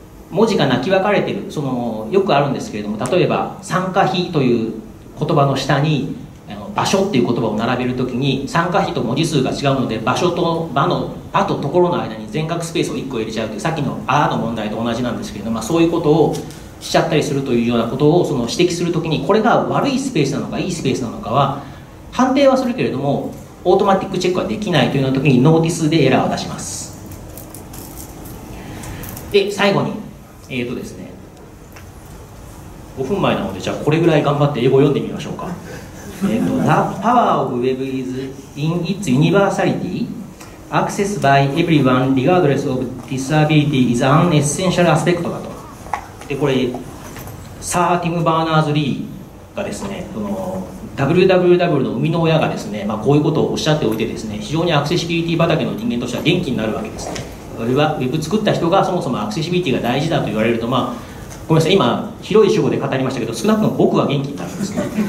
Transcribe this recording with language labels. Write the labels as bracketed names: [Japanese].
[Japanese] 文字が泣き分かれてる、そのよくあるんですけれども、例えば酸化比という言葉の下に場所っていう言葉を並べるときに参加比と文字数が違うので、場所と場のあとところの間に全角スペースを1個入れちゃうという、さっきのあの問題と同じなんですけれども、まあ、そういうことをしちゃったりするというようなことをその指摘するときに、これが悪いスペースなのかいいスペースなのかは判定はするけれども、オートマティックチェックはできないというときにノーティスでエラーを出します。で、最後にですね、5分前なので、じゃあこれぐらい頑張って英語読んでみましょうか。 [English] The power of web is in its universality. Access by everyone, regardless of disability, is an essential aspect だと。 [Japanese] で、これサー・ティム・バーナーズ・リーがですね、その WWW の生みの親がですね、まあ、こういうことをおっしゃっておいてですね、非常にアクセシビリティ畑の人間としては元気になるわけですね。これはウェブ作った人がそもそもアクセシビリティが大事だと言われると、まあ、ごめんなさい、今広い主語で語りましたけど、少なくとも僕は元気になるんですね。